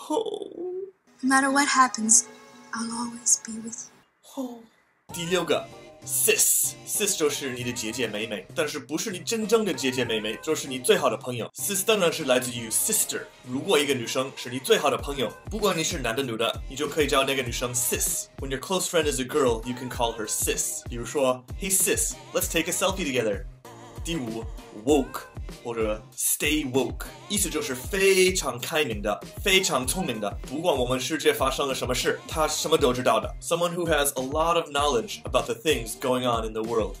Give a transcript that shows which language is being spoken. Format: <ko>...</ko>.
<en>Oh. No matter what happens. I'll always be with you.</en> <zh>Oh. 第六个 ,sis. Sis 就是你的姐姐妹妹，但是不是你真正的姐姐妹妹，就是你最好的朋友。 Sis 当然是来自于 sister. 如果一个女生是你最好的朋友，不管你是男的女的，你就可以叫那个女生 sis.</zh> <en>When your close friend is a girl, you can call her sis.</en> <zh>比如说</zh> <en>,Hey sis, let's take a selfie together.</en> <zh>第五</zh> <en>,woke.</en> <zh>或者 stay woke， 意思就是非常开明的，非常聪明的。不管我们世界发生了什么事，他什么都知道的。</zh> <en>Someone who has a lot of knowledge about the things going on in the world。</en>